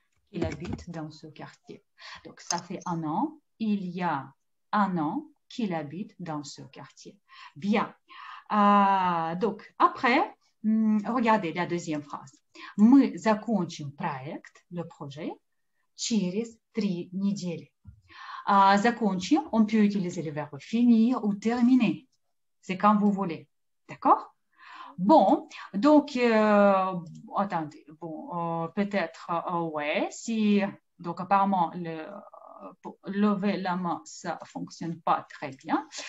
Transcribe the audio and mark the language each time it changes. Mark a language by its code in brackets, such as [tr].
[fr] Qu'il habite dans ce quartier. Donc, ça fait un an, il y a un an qu'il habite dans ce quartier. Bien. Donc, après, regardez la deuxième phrase. [ru] Мы закончим проект, [fr] le projet, [ru] через 3 недели. Закончим, [fr] on peut utiliser le verbe finir ou terminer. C'est quand vous voulez. D'accord? Bon, donc, attendez, bon, peut-être, ouais, si, donc apparemment, pour lever la main, ça fonctionne pas très bien.